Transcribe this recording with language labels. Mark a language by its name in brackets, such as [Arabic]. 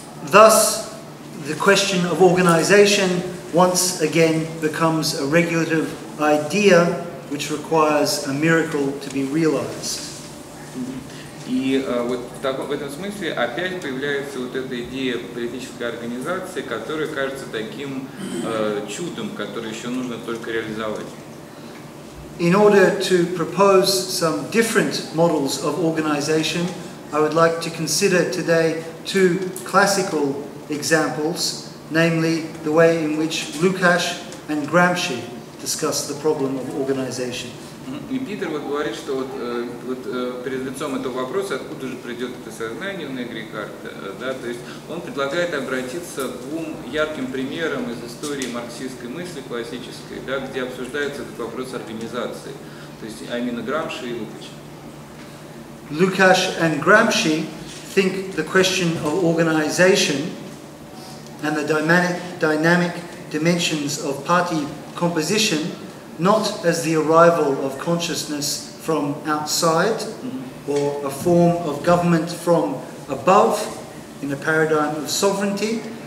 [English] Thus, the question of organization once again becomes a regulative idea which requires a miracle to be realized. [Russian] И вот в этом смысле опять появляется вот эта идея политической организации, которая кажется таким чудом, которое еще нужно только реализовать. [English] In order to propose some different models of organization, I would like to consider today two classical examples, namely the way in which Lukacs and Gramsci discuss the problem of organization. [Russian] И Питер вот говорит, что вот, вот перед лицом этого вопроса, откуда же придет это сознание в Негри карта, да, то есть он предлагает обратиться к двум ярким примерам из истории марксистской мысли классической, да, где обсуждается этот вопрос организации, то есть, а именно Грамши и Лукач. [English] Lukacs and Gramsci think the question of organization and the dynamic dimensions of party composition not as the arrival of consciousness from outside or a form of government from above in a paradigm of sovereignty,